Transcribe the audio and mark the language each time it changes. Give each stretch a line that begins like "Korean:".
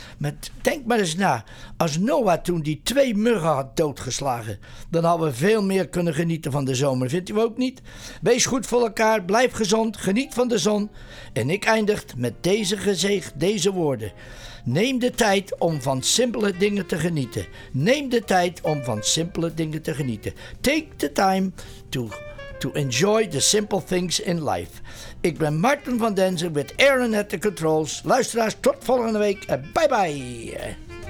Dutch: Maar denk maar eens na. Als Noah toen die twee muggen had doodgeslagen, dan hadden we veel meer kunnen genieten van de zomer. Vindt u ook niet? Wees goed voor elkaar. Blijf gezond. Geniet van de zon. En ik eindig met deze gezegd, deze woorden. Neem de tijd om van simpele dingen te genieten. Neem de tijd om van simpele dingen te genieten.
English: Take the time to enjoy the simple things in life.
Dutch: Ik ben Martin van Denzen met Aaron
English: at the controls.
Dutch: Luisteraars, tot volgende week. Bye bye.